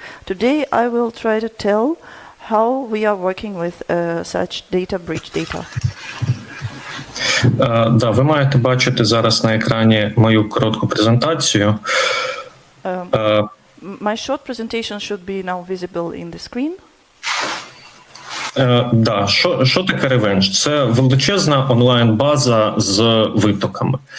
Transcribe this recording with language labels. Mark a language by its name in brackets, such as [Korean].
[English] Today I will try to tell how we are working with such data breach data. [Ukrainian] Да, ви маєте бачити зараз на екрані мою коротку презентацію. [English] My short presentation should be now visible in the screen. [Ukrainian] Да, що таке Revenge? Це величезна онлайн-база з витоками.